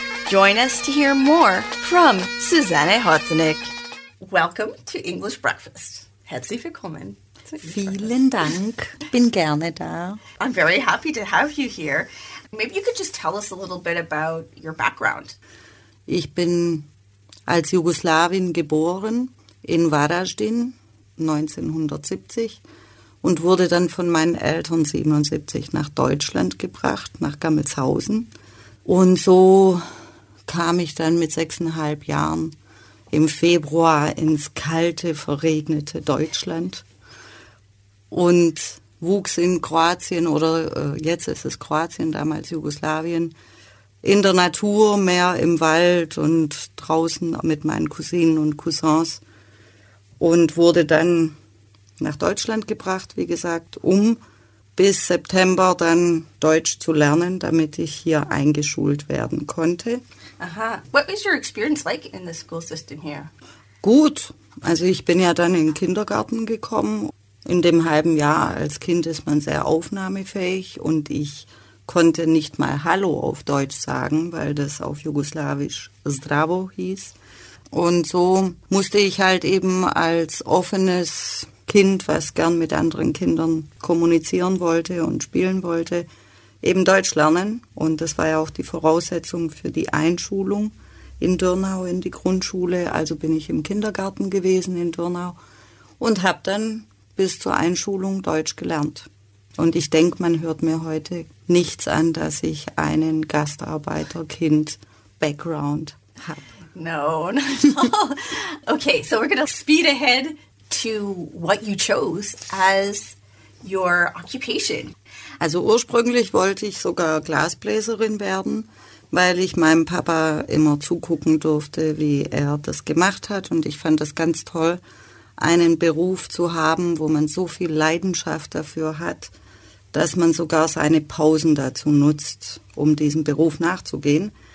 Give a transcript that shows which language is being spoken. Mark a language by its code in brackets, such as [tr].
[en] Join us to hear more from Susanne Hotzenik. Welcome to English Breakfast. [de] Herzlich willkommen. Vielen Dank. Bin gerne da. [en] I'm very happy to have you here. Maybe you could just tell us a little bit about your background. [de] Ich bin als Jugoslawin geboren in Varaždin 1970 und wurde dann von meinen Eltern 77 nach Deutschland gebracht, nach Gammelshausen. Und so kam ich dann mit 6,5 Jahren im Februar ins kalte, verregnete Deutschland und wuchs in Kroatien oder jetzt ist es Kroatien, damals Jugoslawien, in der Natur, mehr im Wald und draußen mit meinen Cousinen und Cousins und wurde dann nach Deutschland gebracht, wie gesagt, um bis September dann Deutsch zu lernen, damit ich hier eingeschult werden konnte. Aha. [en] What was your experience like in the school system here? [de] Gut. Also ich bin ja dann in den Kindergarten gekommen. In dem halben Jahr als Kind ist man sehr aufnahmefähig und ich konnte nicht mal Hallo auf Deutsch sagen, weil das auf Jugoslawisch Zdravo hieß. Und so musste ich halt eben als offenes Kind, was gern mit anderen Kindern kommunizieren wollte und spielen wollte, eben Deutsch lernen. Und das war ja auch die Voraussetzung für die Einschulung in Dürnau, in die Grundschule. Also bin ich im Kindergarten gewesen in Dürnau und habe dann bis zur Einschulung Deutsch gelernt. Und ich denke, man hört mir heute nichts an, dass ich einen Gastarbeiter-Kind-Background habe. [en] No, not at all. Okay, so we're going to speed ahead to what you chose as your occupation. [de] Also ursprünglich wollte ich sogar Glasbläserin werden, weil ich meinem Papa immer zugucken durfte, wie er das gemacht hat. Und ich fand das ganz toll, einen Beruf zu haben, wo man so viel Leidenschaft dafür hat, dass man sogar seine Pausen dazu nutzt, um diesem Beruf nachzugehen.